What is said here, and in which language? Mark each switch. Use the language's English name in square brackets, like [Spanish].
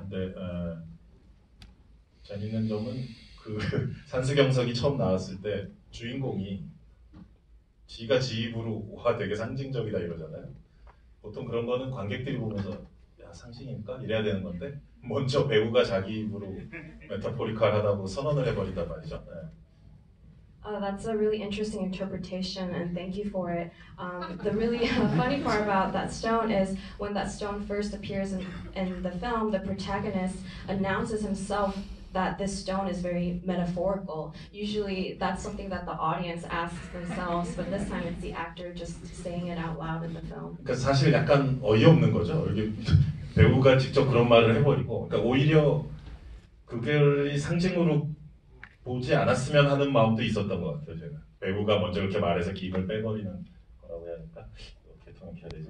[Korean] 근데 재밌는 점은 그 산수경석이 처음 나왔을 때 주인공이 지가 지 입으로 와 되게 상징적이다 이러잖아요. 보통 그런 거는 관객들이 보면서 야 상징인가 이래야 되는 건데 먼저 배우가 자기 입으로 메타포리컬하다고 선언을 해버리다 말이죠. 네. [English] That's a really interesting interpretation, and thank you for it. The really funny part about that stone is when that stone first appears in the film, the protagonist announces himself that this stone is very metaphorical. Usually, that's something that the audience asks themselves, but this time it's the actor just saying it out loud in the film. [Korean] 그러니까 사실 약간 어이없는 거죠. 이게 배우가 직접 그런 말을 해버리고, 그러니까 오히려 그걸 상징으로 보지 않았으면 하는 마음도 있었던 것 같아요. 제가 배우가 먼저 이렇게 말해서 기입을 빼버리는 거라고 해야 할까? 이렇게 통역해야 되지.